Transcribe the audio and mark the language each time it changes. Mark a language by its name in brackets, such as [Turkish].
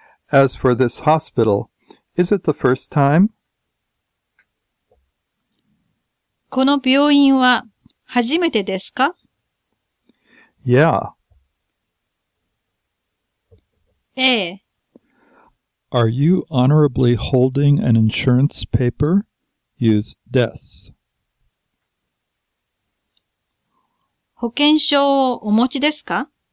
[English] As for this hospital, is it the first time? [Japanese] この病院は初めてですか? [English] Yeah. [Japanese] ええ。 [English] Are you honorably holding an insurance paper? Use です。 [Japanese] 保険証をお持ちですか?